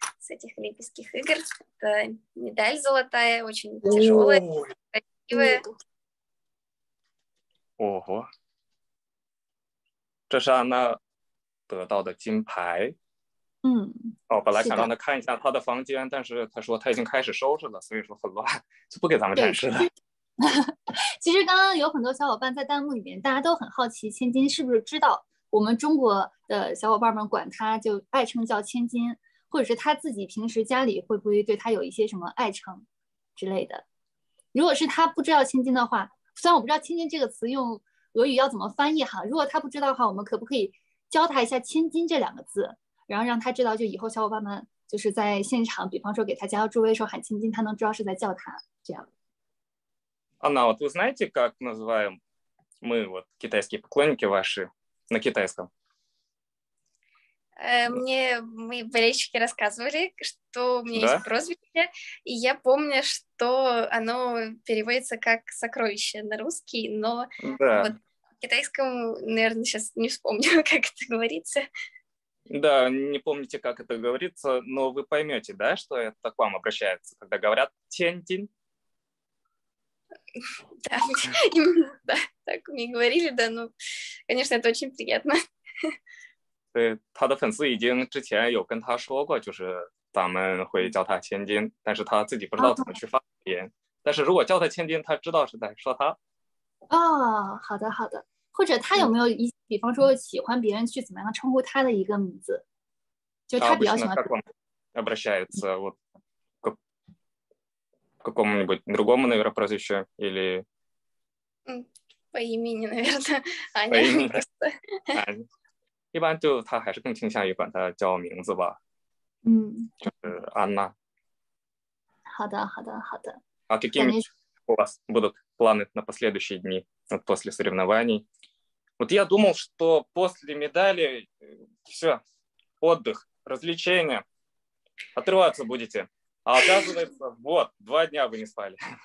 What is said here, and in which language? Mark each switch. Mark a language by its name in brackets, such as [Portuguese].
[Russian] С этих Олимпийских игр. Это медаль золотая, очень тяжелая, красивая. Ого. Это же она получила кинпай. Я хотела, чтобы она посмотрела ее комнату, но она сказала, что она уже начала собираться, поэтому очень плохо. Она не дает нам показать. [Chinese] 其实刚刚有很多小伙伴在弹幕里面，大家都很好奇千金是不是知道我们中国的小伙伴们管他就爱称叫千金，或者是他自己平时家里会不会对他有一些什么爱称之类的。如果是他不知道千金的话，虽然我不知道千金这个词用俄语要怎么翻译哈，如果他不知道的话，我们可不可以教他一下千金这两个字，然后让他知道就以后小伙伴们就是在现场比方说给他加助威的时候喊千金，他能知道是在叫他这样。 [Russian] Анна, вот вы знаете, как называем мы, вот, китайские поклонники ваши на китайском? Мне мои болельщики рассказывали, что у меня есть прозвище, и я помню, что оно переводится как сокровище на русский, но вот в китайском, наверное, сейчас не вспомню, как это говорится. Да, не помните, как это говорится, но вы поймете, да, что это к вам обращается, когда говорят «тянь-тин». Да, именно, да, так мне говорили, да, ну, конечно, это очень приятно. [Chinese] 对，他的粉丝已经之前有跟他说过，就是咱们会叫他千金，但是他自己不知道怎么去发言。但是如果叫他千金，他知道是在说他。哦，好的好的。或者他有没有一，比方说喜欢别人去怎么样称呼他的一个名字？就他比较喜欢。 [Russian] Обращается вот к какому-нибудь другому, наверное, прозвищу или. По имени, наверное, Аня. [Chinese] 一般就他还是更倾向于管他叫名字吧，嗯，就是安娜。好的，好的，好的。 [Russian] А какими у вас будут планы на последующие дни, вот после соревнований? Вот я думал, что после медали все, отдых, развлечения, отрываться будете. А оказывается, вот, два дня вы не спали.